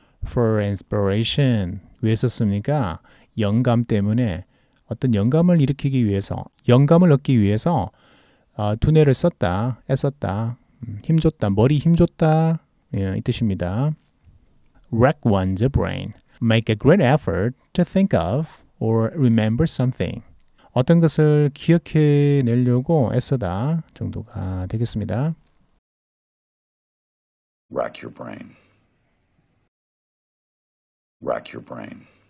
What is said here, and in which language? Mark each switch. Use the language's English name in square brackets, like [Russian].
[English] For inspiration [Korean] 왜 썼습니까? 영감 때문에 어떤 영감을 일으키기 위해서 영감을 얻기 위해서 두뇌를 썼다, 애썼다, 힘줬다, 머리 힘줬다 이 뜻입니다. [English] Rack one's brain. Make a great effort to think of or remember something. [Korean] 어떤 것을 기억해 내려고 애써다 정도가 되겠습니다. [English] Rack your brain. Rack your brain.